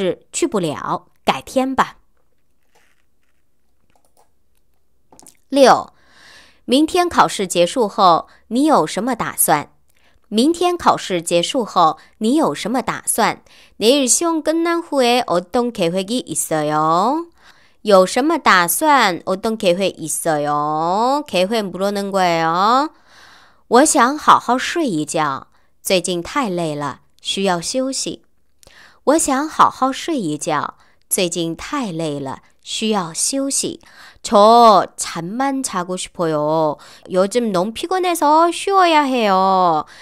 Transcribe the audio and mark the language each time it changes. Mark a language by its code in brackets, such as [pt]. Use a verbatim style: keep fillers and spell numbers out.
[zh] 我下课以后要去图书馆复习，明天有考试，去不了，改天吧。六，明天考试结束后，你有什么打算？明天考试结束后，你有什么打算？ [ko] 내일 시험 끝난 후에 어떤 계획이 있어요? [zh] 有什么打算？ [ko] 어떤 계획 있어요? 계획 물어는 거예요. [zh] 我想好好睡一觉。最近太累了,需要休息。我想好好睡一觉。最近太累了,需要休息。 [ko] 저 잠만 자고 싶어요. 요즘 너무 피곤해서 쉬어야 해요.